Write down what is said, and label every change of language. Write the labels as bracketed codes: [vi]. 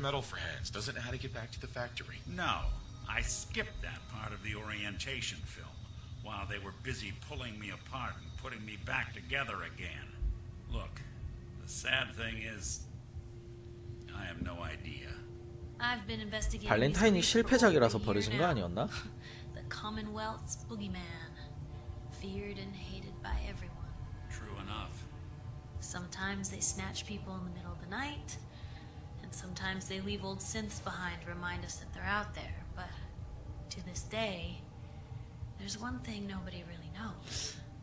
[en] Metal for Hands doesn't know how to get back to the factory. No, I skipped that part of the orientation film while they were busy pulling me apart and putting me back together again. Look, the sad thing is, I have no idea. I've been investigating. [ko] 발렌타인이 실패작이라서 버리신 거 아니었나? [en] The Commonwealth's boogeyman, feared and hated by everyone. True enough. Sometimes they snatch people in the middle of the night, and sometimes they leave old synths behind to remind us that they're out there. But to this day, there's one thing nobody really knows.